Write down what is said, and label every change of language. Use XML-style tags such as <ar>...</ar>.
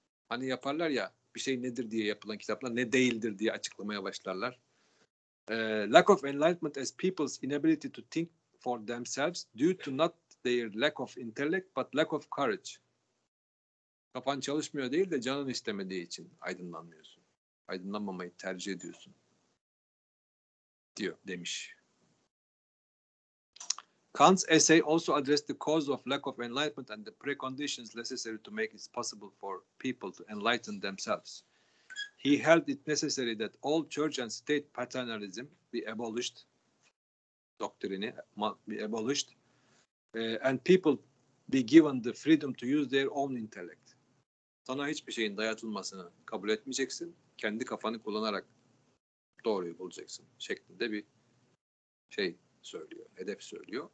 <tr>Hani yaparlar ya, bir şey nedir diye yapılan kitaplar, ne değildir diye açıklamaya başlarlar.</tr> <en>Lack of enlightenment as people's inability to think for themselves due to not their lack of intellect but lack of courage.</en> <tr>Kafan çalışmıyor değil de canın istemediği için aydınlanmıyorsun. Aydınlanmamayı tercih ediyorsun. Diyor, demiş.</tr> <en>Kant's essay also addressed the cause of lack of enlightenment and the preconditions necessary to make it possible for people to enlighten themselves. He held it necessary that all church and state paternalism be abolished, doctrine be abolished, and people be given the freedom to use their own intellect.</en> <tr>Sana hiçbir şeyin dayatılmasını kabul etmeyeceksin, kendi kafanı kullanarak doğruyu bulacaksın şeklinde bir şey söylüyor, hedef söylüyor.</tr>